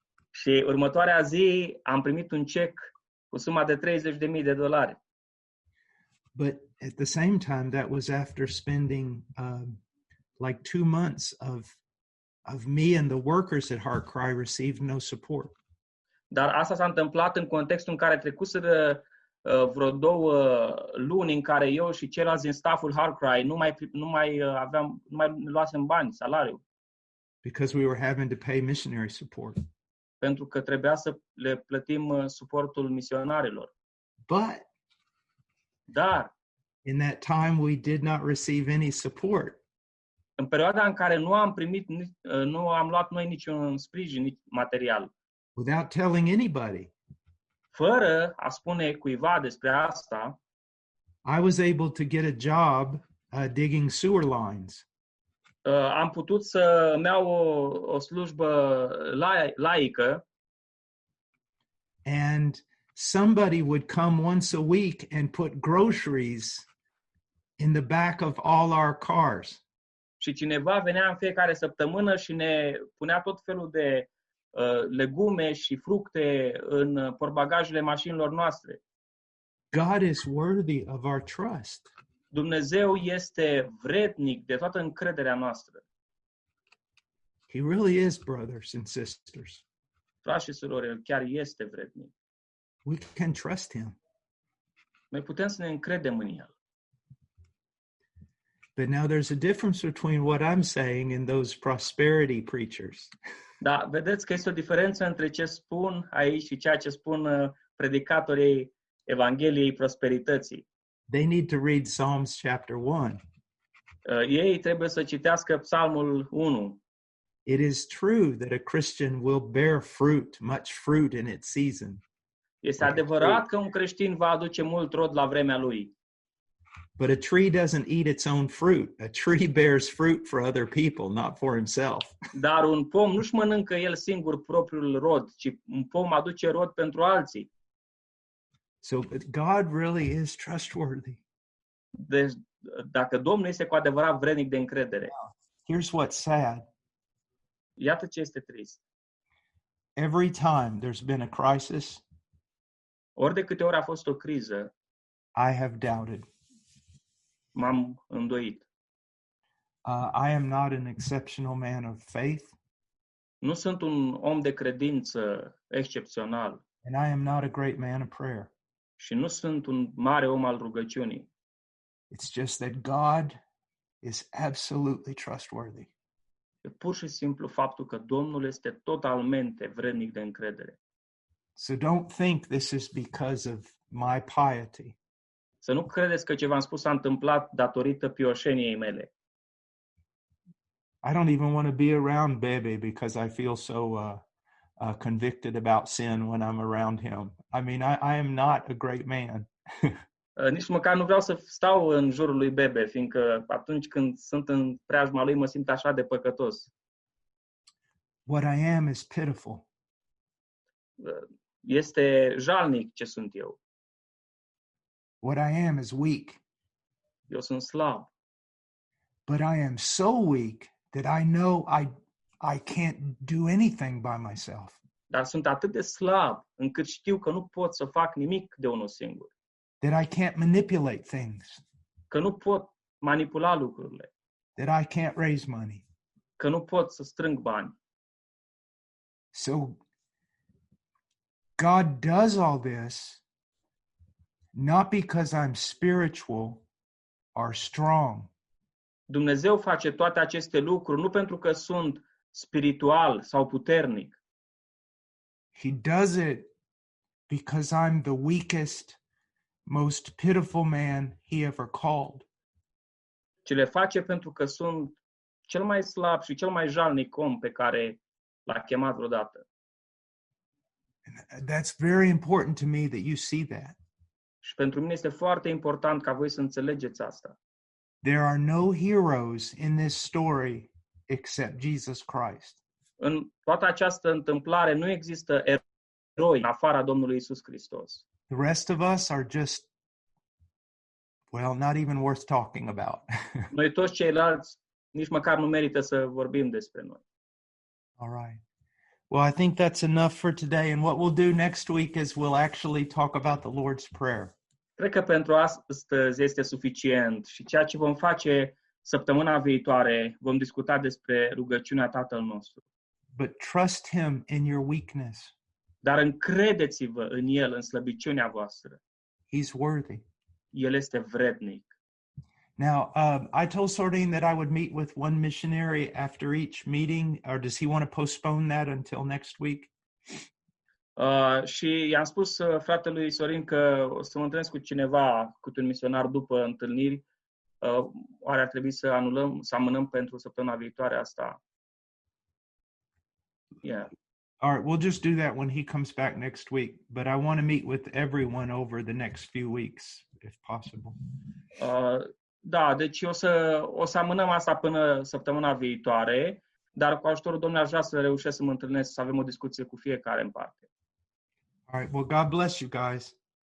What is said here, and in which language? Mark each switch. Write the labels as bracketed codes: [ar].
[ro] Și următoarea zi am primit un check cu suma de $30,000. [en] But at the same time, that was after spending like 2 months of me and the workers at Heart Cry received no support. [ro] Dar asta s-a întâmplat în contextul în care trecuseră vreo două luni în care eu și ceilalți din stafful Heart Cry nu mai luasem bani, salariu. [en] Because we were having to pay missionary support. [ro] Pentru că trebuia să le plătim suportul misionarilor. [en] But [ro] dar [en] in that time we did not receive any support. [ro] În perioada în care nu am primit, nu am luat noi niciun sprijin, nici material. [en] Without telling anybody. [ro] Fără a spune cuiva despre asta, [en] I was able to get a job digging sewer lines. [ro] Am putut să iau o slujbă laică. [en] And somebody would come once a week and put groceries in the back of all our cars. [ro] Și cineva venea în fiecare săptămână și ne punea tot felul de legume și fructe în portbagajele mașinilor noastre. [en] God is worthy of our trust. [ro] Dumnezeu este vrednic de toată încrederea noastră. [en] He really is, brothers and sisters. [ro] Frați și surori, El chiar este vrednic. [en] We can trust Him. [ro] Noi putem să ne încredem în El. [en] But now there's a difference between what I'm saying and those prosperity preachers. [ro] Da, vedeți că este o diferență între ce spun aici și ceea ce spun predicatorii Evangheliei Prosperității. [en] They need to read Psalms chapter 1. [ro] Ei trebuie să citească Psalmul 1. [en] It is true that a Christian will bear fruit, much fruit in its season. [ro] Este adevărat că un creștin va aduce mult rod la vremea lui. [en] But a tree doesn't eat its own fruit. A tree bears fruit for other people, not for himself. [ro] Dar un pom nu-și mănâncă el singur propriul rod, ci un pom aduce rod pentru alții. [en] So, but God really is trustworthy. [ro] Deci, dacă Domnul este cu adevărat vrednic de încredere. [en] Here's what's sad. [ro] Iată ce este trist. [en] Every time there's been a crisis, [ro] ori de câte ori a fost o criză, [en] I have doubted. [ro] M-am îndoit. [en] I am not an exceptional man of faith. [ro] Nu sunt un om de credință excepțional. [en] And I am not a great man of prayer. [ro] Și nu sunt un mare om al rugăciunii. [en] It's just that God is absolutely trustworthy. [ro] E pur și simplu faptul că Domnul este totalmente vrednic de încredere. [en] So don't think this is because of my piety. [ro] Să nu credeți că ce v-am spus s-a întâmplat datorită pioșeniei mele. [en] I don't even want to be around Bebe because I feel so convicted about sin when I'm around him. I mean, I am not a great man. [ro] Nici măcar nu vreau să stau în jurul lui Bebe, fiindcă atunci când sunt în preajma lui mă simt așa de păcătos. [en] What I am is pitiful. [ro] Este jalnic ce sunt eu. [en] What I am is weak. [ro] Eu sunt slab. [en] But I am so weak that I know I can't do anything by myself. [ro] Dar sunt atât de slab încât știu că nu pot să fac nimic de unul singur. [en] That I can't manipulate things. [ro] Că nu pot manipula lucrurile. [en] That I can't raise money. [ro] Că nu pot să strâng bani. [en] So God does all this not because I'm spiritual or strong. [ro] Dumnezeu face toate aceste lucruri nu pentru că sunt spiritual sau puternic. [en] He does it because I'm the weakest, most pitiful man he ever called. [ro] Ci le face pentru că sunt cel mai slab și cel mai jalnic om pe care l-a chemat vreodată. [en] That's very important to me that you see that. [ro] Și pentru mine este foarte important ca voi să înțelegeți asta. [en] There are no heroes in this story except Jesus Christ. [ro] În toată această întâmplare nu există eroi în afara Domnului Iisus Hristos. [en] The rest of us are just, well, not even worth talking about. [ro] Noi toți ceilalți nici măcar nu merită să vorbim despre noi. [en] All right. Well, I think that's enough for today. And what we'll do next week is we'll actually talk about the Lord's Prayer. [ro] Cred că pentru astăzi este suficient și ceea ce vom face săptămâna viitoare, vom discuta despre rugăciunea Tatăl nostru. [en] But trust him in your weakness. [ro] Dar încredeți-vă în el, în slăbiciunea voastră. [en] He's worthy. [ro] El este vrednic. [en] Now, I told Sordine that I would meet with one missionary after each meeting, or does he want to postpone that until next week? [ro] Și i-am spus fratelui Sorin că o să mă întâlnesc cu cineva, cu un misionar după întâlniri. Oare ar trebui să anulăm, să amânăm pentru săptămâna viitoare asta? [en] Yeah. All right, we'll just do that when he comes back next week, but I want to meet with everyone over the next few weeks if possible. [ro] Da, deci o să amânăm asta până săptămâna viitoare, dar cu ajutorul Domnului aș vrea să reușesc să mă întâlnesc, să avem o discuție cu fiecare în parte. [en] All right, well, God bless you guys.